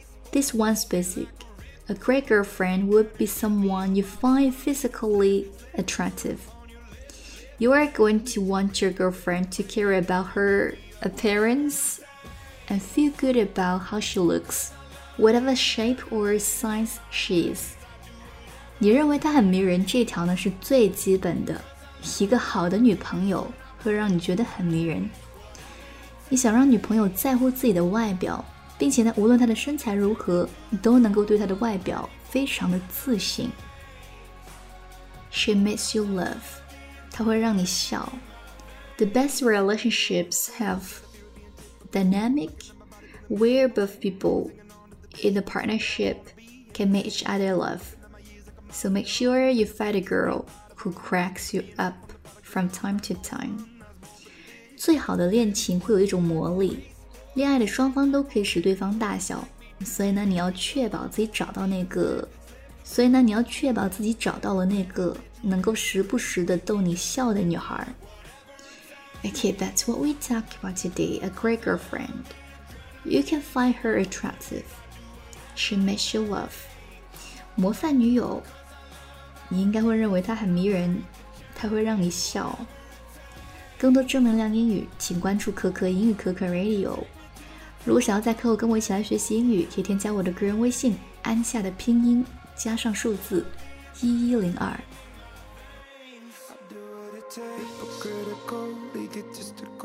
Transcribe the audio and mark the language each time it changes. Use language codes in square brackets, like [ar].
[en] This one's basicA great girlfriend would be someone you find physically attractive. You are going to want your girlfriend to care about her appearance and feel good about how she looks, whatever shape or size she is. [zh] 你认为她很迷人，这条呢是最基本的。一个好的女朋友会让你觉得很迷人。你想让女朋友在乎自己的外表，并且呢，无论她的身材如何，都能够对她的外表非常的自信。 [en] She makes you laugh， [zh] 她会让你笑。 [en] The best relationships have dynamic, where both people in the partnership can make each other laugh. So make sure you find a girl who cracks you up from time to time. [zh] 最好的恋情会有一种魔力。恋爱的双方都可以使对方大笑，所以呢你要确保自己找到了那个能够时不时的逗你笑的女孩。 [en] Okay, that's what we talk about today, a great girlfriend. You can find her attractive. She makes you laugh. [zh] 模范女友，你应该会认为她很迷人，她会让你笑。更多正能量英语请关注可可英语可可 Radio。如果想要在课后跟我一起来学习英语，可以添加我的个人微信安夏的拼音加上数字1102。